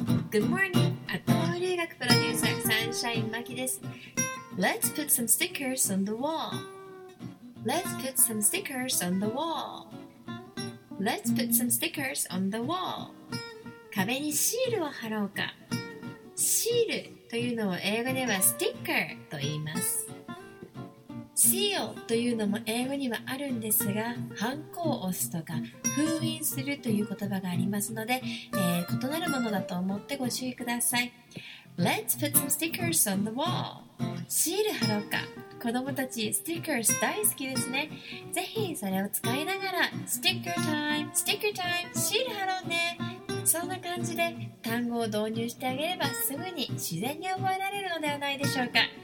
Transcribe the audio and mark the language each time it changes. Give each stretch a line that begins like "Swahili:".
English: Good morning, I'm Kawai
Japanese: 留学プロデューサーサンシャインマキです。
English: Let's put some stickers on the wall. Let's put some stickers on the wall. Let's put some stickers on the wall.
Japanese: 壁にシールを貼ろうか。シールというのを英語ではスティッカーと言います。シールというのも英語にはあるんですが、ハンコを押すとか封印するという言葉がありますので、異なるものだと思ってご注意ください。
English: Let's put some stickers on the wall.
Japanese: シール貼ろうか。子供たちスティッカー大好きですね。ぜひそれを使いながらスティッカータイム、スティッカータイム、シール貼ろうね。そんな感じで単語を導入してあげればすぐに自然に覚えられるのではないでしょうか。